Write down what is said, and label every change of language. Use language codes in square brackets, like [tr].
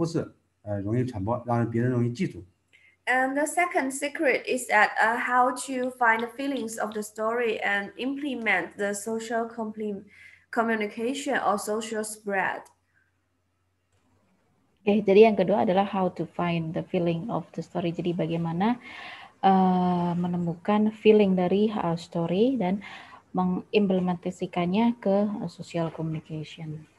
[zh] 第二个呢，秘诀呢，就是我们如何找到情怀故事，做好社交传播，就是讲故事，容易传播，让别人容易记住。 [en] And the second secret is that how to find the feelings of the story and implement the social communication or social spread. [id] Oke, jadi yang kedua adalah [en] how to find the feeling of the story. [id] Jadi bagaimana menemukan feeling dari story dan mengimplementasikannya ke social communication.